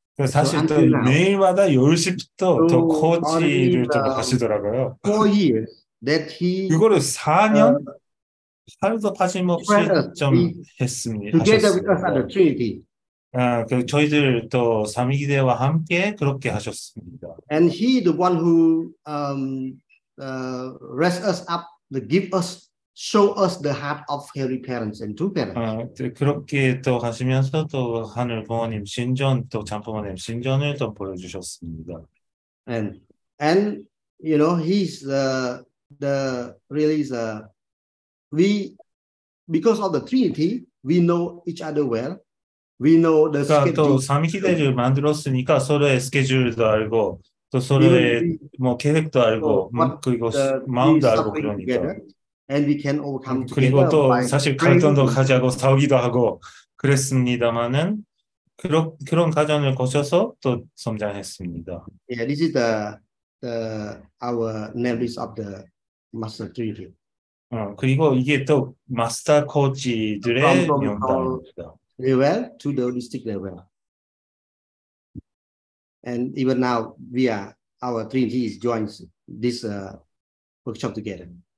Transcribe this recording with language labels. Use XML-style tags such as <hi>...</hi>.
<ko>사실 또 매일마다 10시부터 또 코치를 좀 하시더라고요.</ko> <en>Four years that he</en> <ko>그거를 4년 하루도 빠짐없이 좀 했습니다.</ko> <en>Together with us at the Trinity.</en> <ko>그 저희들 또 3위기대와 함께 그렇게 하셨습니다.</ko> <en>And he the one who raised us up, the give us. Show us the heart of healthy parents and true parents.</en> <ko>그렇게 또 가시면서 또 하늘 부모님 신전 또 참 부모님 신전을 또 보여주셨습니다.</ko> <en>And you know he's the really the we because of the Trinity we know each other well. We know the</en> <ko>그러니까</ko> <en>schedule.</en> <ko>또 3위기대를 만들었으니까 서로의 스케줄도 알고 또 서로의 뭐 계획도 알고 그리고 마음도 알고 그러니까.</ko> <en>And we can overcome together.</en> <ko>그리고 또 사실 갈등도 가지고 싸우기도 하고 그랬습니다만은 그런 과정을 거쳐서 또 성장했습니다.</ko> <en>Yeah, this is the our members of the master trio.</en> <ko>그리고 이게 또 마스터 코치들의 명단입니다.</ko> <en>Level to the holistic level. And even now we are our trinity is joins this workshop together.</en>